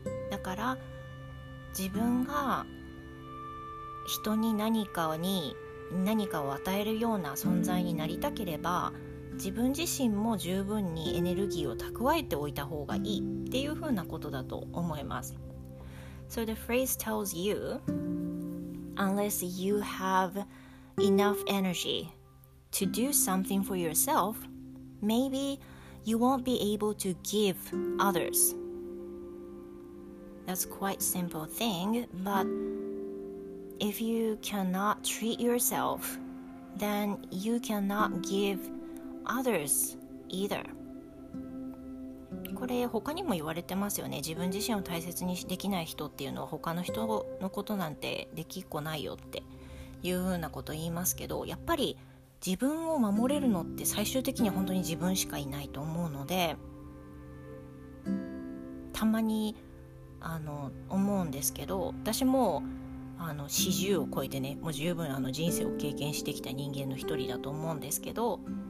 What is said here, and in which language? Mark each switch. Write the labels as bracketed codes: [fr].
[ja] だから自分が人に何かに何かを与えるような存在になりたければ、自分自身も十分にエネルギーを蓄えておいた方がいいっていうふうなことだと思います。 [en] So the phrase tells you, unless you have enough energy to do something for yourself, maybe you won't be able to give others. That's quite a simple thing, but if you cannot treat yourself, then you cannot give others either. [ja] これ他にも言われてますよね。自分自身を大切にできない人っていうのは他の人のことなんてできっこないよっていうふうなこと言いますけど、やっぱり自分を守れるのって最終的に本当に自分しかいないと思うので、たまに思うんですけど、私も40を超えてね、もう十分人生を経験してきた人間の一人だと思うんですけど、